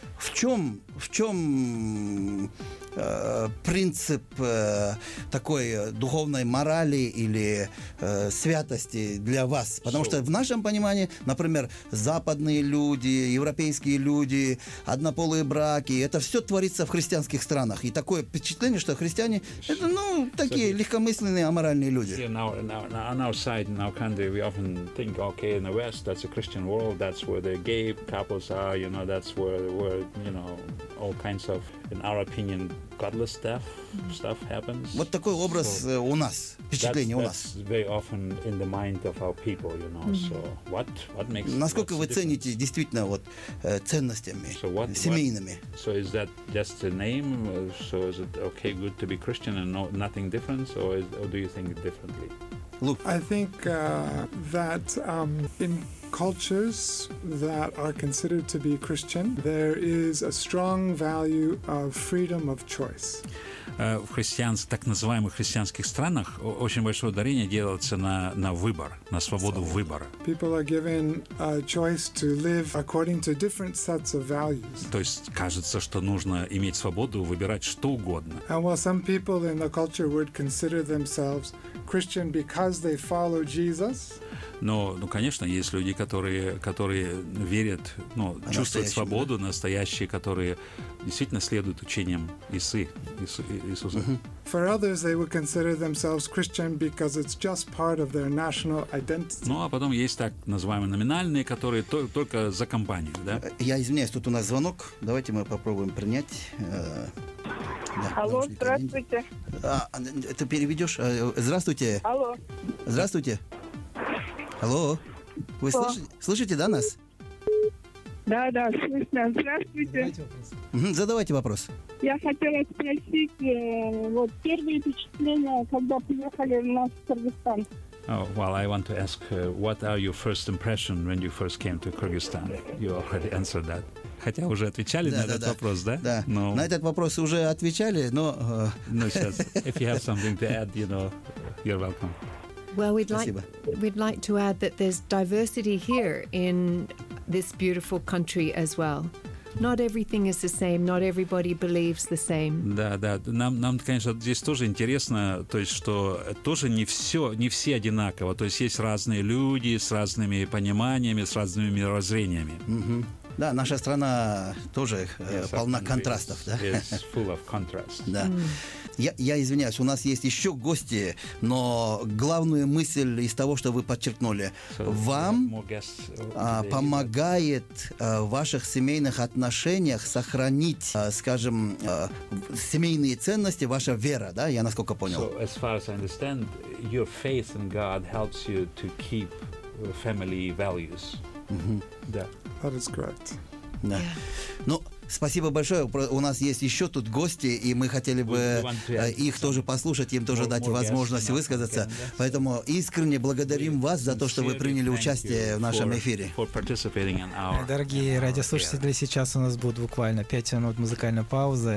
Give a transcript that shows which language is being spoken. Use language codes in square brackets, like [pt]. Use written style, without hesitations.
[ru] В чем принцип такой духовной морали или святости для вас? Потому что в нашем понимании, например, западные люди, европейские люди, однополые браки, это все творится в христианских странах. И такое впечатление, что христиане это, ну, такие легкомысленные, аморальные люди. [en] On our side, in our country, we often think, okay, in the West, that's a Christian world, that's where the gay couples are, you know, that's where, you know, all kinds of, in our opinion, godless stuff happens. [ru] Вот такой образ у нас, впечатление у нас. [en] That's very often in the mind of our people, you know. Mm-hmm. So what makes? [ru] Насколько вы цените действительно вот ценностями семейными? [en] So is that just a name? So is it okay, good to be Christian and nothing different? Or do you think differently? Look, I think that in cultures that are considered to be Christian, there is a strong value of freedom of choice. [ru] в христианских, так называемых христианских странах очень большое ударение делается на выбор, на свободу выбора. [en] People are given a choice to live according to different sets of values. [ru] То есть кажется, что нужно иметь свободу выбирать что угодно. [en] And while some people in the culture would consider themselves Christian because they follow Jesus. [ru] Но, ну, конечно, есть люди, которые верят, ну, чувствуют свободу, да? Настоящие, которые действительно следуют учениям Иисуса. [en] For others, they would consider themselves Christian because it's just part of their national identity. [ru] Ну, а потом есть так называемые номинальные, которые только за компанию, да? Я извиняюсь, тут у нас звонок. Давайте мы попробуем принять. Да, алло, здравствуйте. Ты переведешь? Здравствуйте. Алло. Здравствуйте. Алло, вы слышите, да, нас? Да, да, слышно. Здравствуйте. Задавайте вопрос. Я хотела спросить, вот первые впечатления, когда приехали в наш Кыргызстан. [en] Oh, well, I want to ask, what are your first impression when you first came to Kyrgyzstan? You already answered that. [ru] Хотя уже отвечали на этот вопрос, да? Да. Но... На этот вопрос уже отвечали, но. Ну сейчас, [en] if you have something to add, you know, you're welcome. Well, we'd like to add that there's diversity here in this beautiful country as well. Not everything is the same. Not everybody believes the same. [ru] Да, да. Нам, конечно, здесь тоже интересно, то есть, что тоже не все одинаково. То есть, есть разные люди с разными пониманиями, с разными мировоззрениями. Mm-hmm. Да, наша страна тоже полна контрастов, да? [en] It's full of contrast. [ru] Да. Я извиняюсь, у нас есть еще гости, но главную мысль из того, что вы подчеркнули, вам помогает в ваших семейных отношениях сохранить, скажем, семейные ценности, ваша вера, да, я насколько понял. [en] So, as far as I understand, your faith in God helps you to keep family values. Mm-hmm. Yeah. That is correct. [ru] Да. Yeah. Ну, спасибо большое. У нас есть еще тут гости, и мы хотели бы их тоже послушать, им тоже дать возможность высказаться. Поэтому искренне благодарим вас за то, что вы приняли участие в нашем эфире. Дорогие радиослушатели, сейчас у нас будет буквально 5 минут музыкальной паузы.